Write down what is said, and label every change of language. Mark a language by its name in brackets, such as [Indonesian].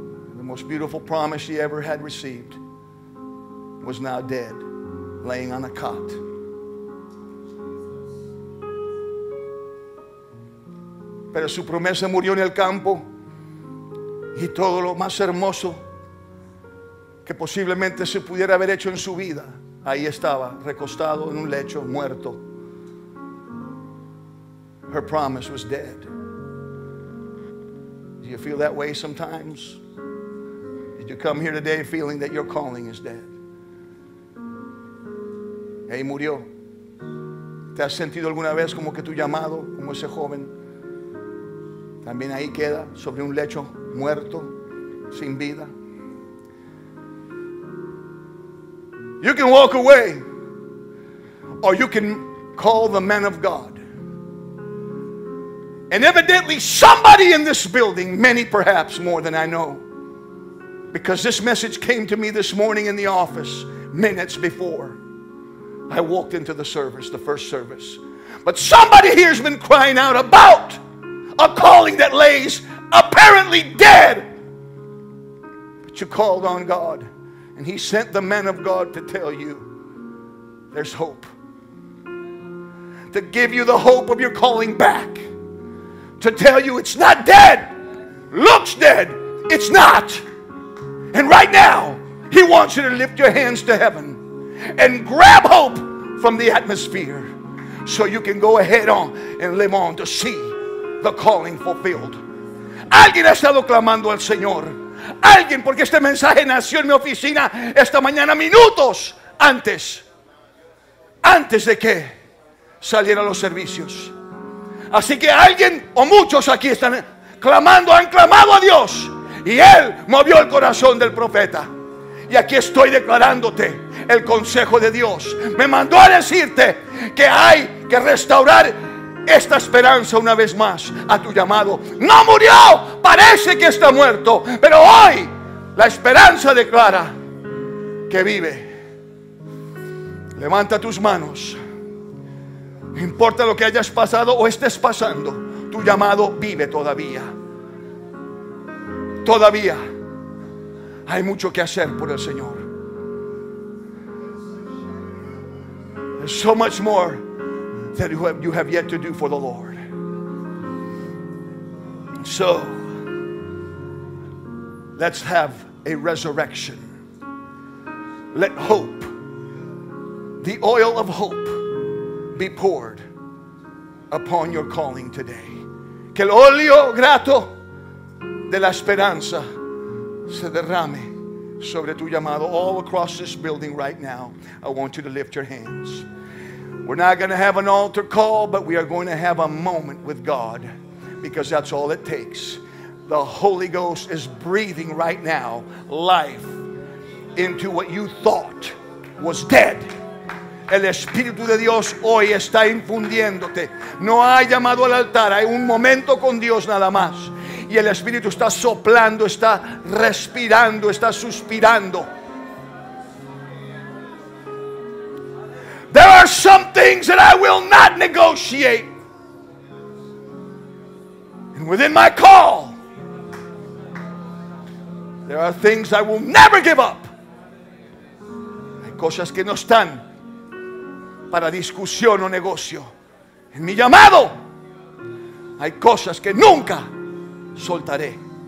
[English] And the most beautiful promise she ever had received was now dead, laying on a cot. [Spanish] Pero su promesa murió en el campo, y todo lo más hermoso que posiblemente se pudiera haber hecho en su vida, ahí estaba, recostado en un lecho, muerto. [English] Her promise was dead. Do you feel that way sometimes? Did you come here today feeling that your calling is dead? [Spanish] Ahí murió. ¿Te has sentido alguna vez como que tu llamado, como ese joven, también ahí queda, sobre un lecho, muerto, sin vida? [English] You can walk away, or you can call the man of God. And evidently somebody in this building, many perhaps more than I know, because this message came to me this morning in the office minutes before I walked into the service, the first service. But somebody here's been crying out about a calling that lays apparently dead. But you called on God, and he sent the man of God to tell you there's hope. To give you the hope of your calling back. To tell you it's not dead. Looks dead. It's not. And right now, he wants you to lift your hands to heaven and grab hope from the atmosphere so you can go ahead on and live on to see the calling fulfilled. [Spanish] Alguien ha estado clamando al Señor. Alguien, porque este mensaje nació en mi oficina esta mañana minutos antes. Antes de que salieran los servicios. Así que alguien o muchos aquí están clamando, han clamado a Dios. Y Él movió el corazón del profeta. Y aquí estoy declarándote el consejo de Dios. Me mandó a decirte que hay que restaurar esta esperanza una vez más a tu llamado. No murió, parece que está muerto, pero hoy la esperanza declara que vive. Levanta tus manos. No importa lo que hayas pasado o estés pasando, tu llamado vive todavía. Todavía hay mucho que hacer por el Señor. [English] There's so much more that you have yet to do for the Lord. So let's have a resurrection. Let hope, the oil of hope, be poured upon your calling today. [Spanish] Que el óleo grato de la esperanza se derrame sobre tu llamado. [English] All across this building right now, I want you to lift your hands. We're not going to have an altar call, but we are going to have a moment with God, because that's all it takes. The Holy Ghost is breathing right now life into what you thought was dead. [Spanish] El Espíritu de Dios hoy está infundiéndote. No ha llamado al altar, hay un momento con Dios nada más. Y el Espíritu está soplando, está respirando, está suspirando. [English] There are some things that I will not negotiate. And within my call, there are things I will never give up. [Spanish] Hay cosas que no están para discusión o negocio. En mi llamado, hay cosas que nunca soltaré.